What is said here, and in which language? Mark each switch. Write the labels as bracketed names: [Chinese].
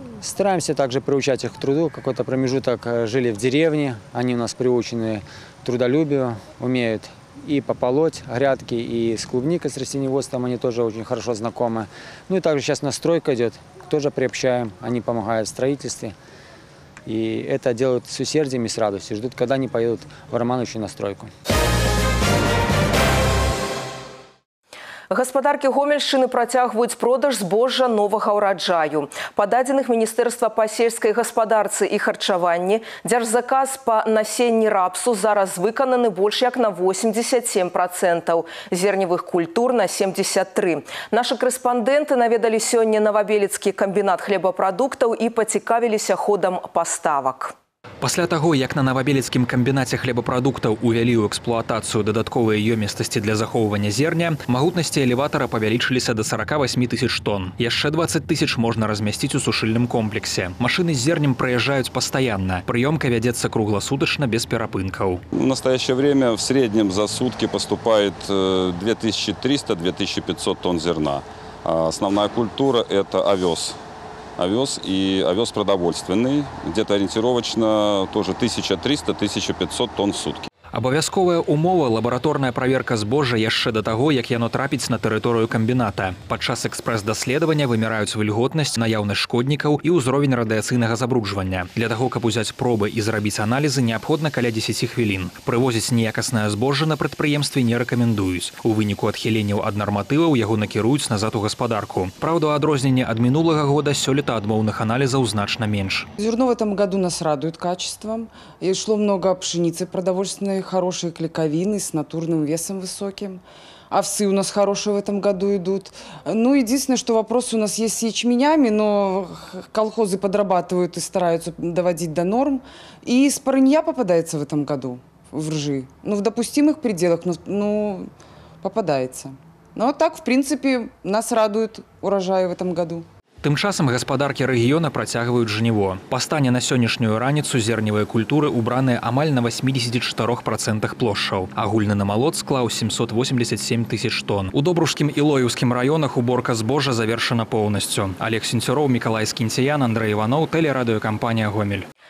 [Russian] Стараемся также приучать их к труду. Какой-то промежуток жили в деревне, они у нас приучены трудолюбию, умеют и пополоть грядки, и с клубникой, с растениеводством они тоже очень хорошо знакомы. Ну и также сейчас настройка идет, тоже приобщаем, они помогают в строительстве. И это делают с усердием и с радостью, ждут, когда они поедут в Романовичу на стройку. [Belarusian] Гаспадаркі Гомельшчыны працягваюць продаж збожжа новага ўраджаю. Па дадзеных Міністэрства па сельскай гаспадарцы і харчаванні, дзяржзаказ па насенні рапсу зараз выкананы больш як на 87%, зерневых культур на 73%. Нашы корэспандэнты наведалі сёння Навабелецкі камбінат хлебапрадуктаў і пацікавіліся ходам паставак. Пасля таго, як на Навабелецкім камбінаце хлебапрадуктаў увялі ў эксплуатацыю дадатковыя ёмістасці для захоўвання зерня, магутнасці элеватара павялічыліся да 48 тысяч тонн. Яшчэ 20 тысяч можна размясціць у сушыльным комплексе. Машыны з зернем праязджаюць пастаянна. Прыёмка вядзецца кругласутачна без перапынкаў. [Russian] У настоящее время в среднем за сутки поступает 2300-2500 тонн зерна. А основная культура – это овёс. Овес и овес продовольственный, где-то ориентировочно тоже 1300-1500 тонн в сутки. [Belarusian] Абавязковая умова – лабораторная проверка збожжа яшчэ до того, як яно трапіць на тэрыторыю камбіната. Падчас экспрэс-даследавання вымираюць вільготнасць, наяўнасць шкоднікаў і ўзровень радыяцыйнага забруджвання. Для таго, каб узяць пробы і зрабіць аналізы, неабходна каля 10 хвілін. Прывозіць неякаснае збожжа на прадпрыемстве не рэкамендуюць. У выніку адхіленняў ад нарматываў яго накіруюць назад у гаспадарку. Праўда, адрозненне ад мінулага года сёлета адмоўных аналізаў значна менш. [Russian] Зерно в этом году нас радует качеством. Ішло много пшеницы продовольственной, хорошие клейковины с натурным весом высоким. Овсы у нас хорошие в этом году идут. Ну, единственное, что вопрос у нас есть с ячменями, но колхозы подрабатывают и стараются доводить до норм. И спарынья попадается в этом году в ржи. Ну, в допустимых пределах, ну, попадается. Но так, в принципе, нас радует урожай в этом году. [Belarusian] Тым часам гаспадаркі рэгіёна працягваюць жніво. Па стане на сённяшнюю раніцу зерневыя культуры ўбраныя амаль на 84% плошчаў. Агульны намалот склаў 787 тысяч тонн. У Добрушкім і Лоеўскім раёнах уборка збожжа завершана поўнасцю. Алег Сінцюроў, Мікалай Скінцян, Андрэй Іваноў, тэлерадыёкампанія «Гомель».